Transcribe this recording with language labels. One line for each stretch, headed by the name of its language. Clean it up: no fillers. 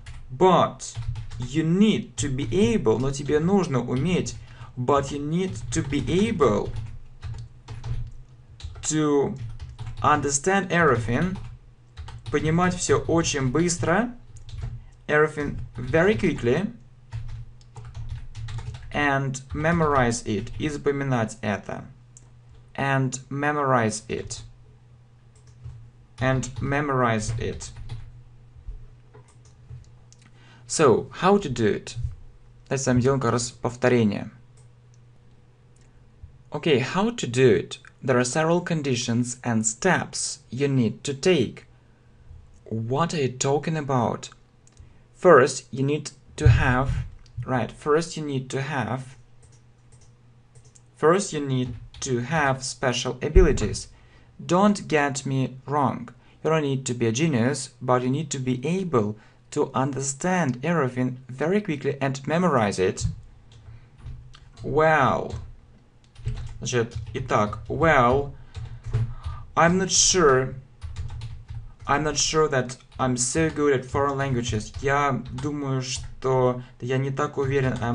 English: But you need to be able,
Russian: но тебе нужно уметь,
English: but you need to be able to understand everything,
Russian: понимать все очень быстро,
English: everything very quickly, and memorize it,
Russian: и запоминать это,
English: and memorize it, and memorize it. So, how to do it?
Russian: Давайте с вами сделаем как раз повторение.
English: Okay, how to do it? There are several conditions and steps you need to take. What are you talking about? First, you need to have... Right, first you need to have... First, you need to have special abilities. Don't get me wrong. You don't need to be a genius, but you need to be able to understand everything very quickly and memorize it. Well,
Russian: значит, итак,
English: well, I'm not sure that I'm so good at foreign languages.
Russian: Я думаю, что я не так уверен.